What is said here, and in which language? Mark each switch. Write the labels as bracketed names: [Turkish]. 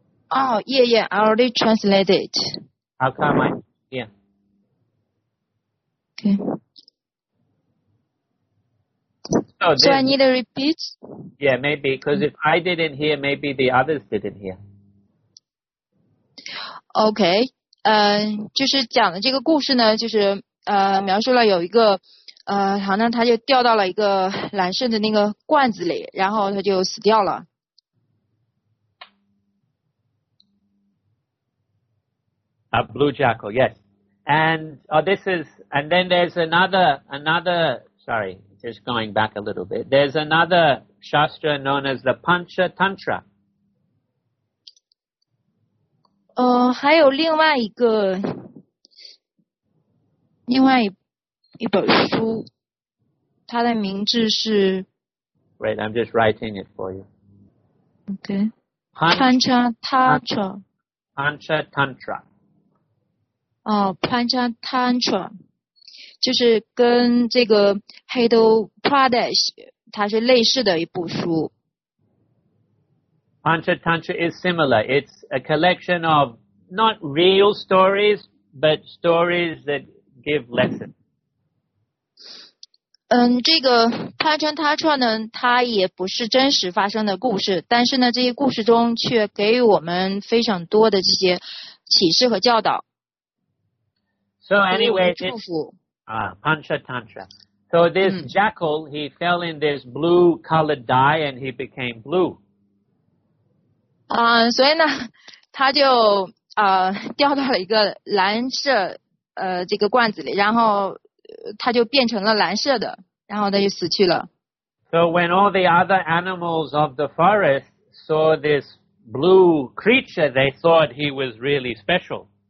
[English] Oh, yeah, yeah. I already translated it. How come I? Yeah. Okay. So, so I need to repeat? Yeah, maybe. Because if I didn't hear, maybe the others didn't hear. Okay. [Chinese] 就是讲的这个故事呢，就是描述了有一个好像他就掉到了一个蓝色的那个罐子里，然后他就死掉了。 [English] A blue jackal, yes. And, oh, this is, and then there's another, sorry, just going back a little bit. There's another shastra known as the Pancha Tantra. [Chinese] 还有另外一本书，它的名字是。 [English] Wait, I'm just writing it for you. Okay. Pancha Tantra. Pancha Tantra. [Chinese] Oh, Pancha Tantra. 就是跟这个《Hindu Pradesh》它是类似的一部书。 [English] Pancha Tantra is similar. It's a collection of not real stories, but stories that give lessons. [Chinese] 嗯，这个 Pancha Tantra 呢，它也不是真实发生的故事，但是呢，这些故事中却给予我们非常多的这些启示和教导。 [English] So anyway, Pancha Tantra. So this jackal, he fell in this blue colored dye and he became blue. [Chinese] 所以呢他就掉到了一个蓝色这个罐子里，然后他就变成了蓝色的，然后他就死去了。 [English] So when all the other animals of the forest saw this blue creature, they thought he was really special.